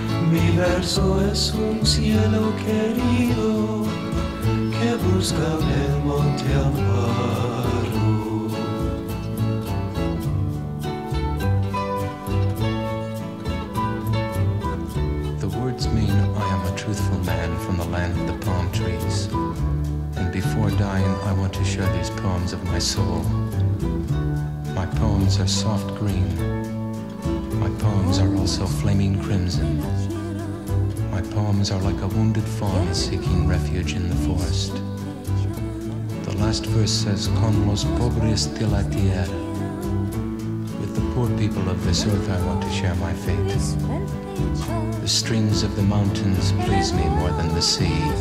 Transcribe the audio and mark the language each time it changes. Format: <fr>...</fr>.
<es>Mi verso es un cielo querido que busca en el monte amparo.</es> <en>The words mean I am a truthful man from the land of the palm trees. And before dying, I want to share these poems of my soul. My poems are soft green. My poems are also flaming crimson. My poems are like a wounded fawn seeking refuge in the forest. The last verse says,</en> <es>con los pobres de la tierra.</es> <en>With the poor people of this earth, I want to share my fate. The streams of the mountains please me more than the sea.</en>